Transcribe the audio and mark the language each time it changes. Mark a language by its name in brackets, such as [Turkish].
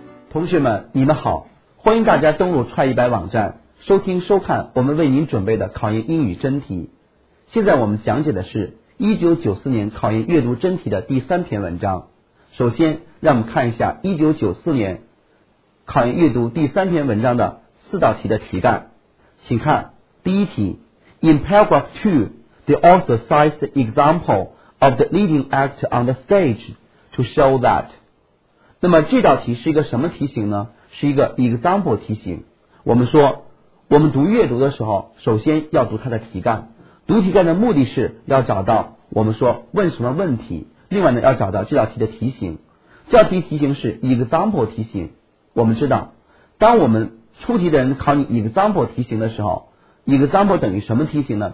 [Chinese] 同学们你们好，欢迎大家登录创意百网站收听收看我们为您准备的考研英语真题。现在我们讲解的是1994年考研阅读真题的第三篇文章。首先让我们看一下1994年考研阅读第三篇文章的四道题的题干。 [English] 请看第一题， In paragraph 2 the author cites the example of the leading actor on the stage to show that。 [Chinese] 那么这道题是一个什么题型呢？是一个 example 题型。我们说我们读阅读的时候首先要读它的题干，读题干的目的是要找到我们说问什么问题，另外呢要找到这道题的题型。这道题题型是 example 题型，我们知道当我们出题的人考你 example 题型的时候， example 等于什么题型呢？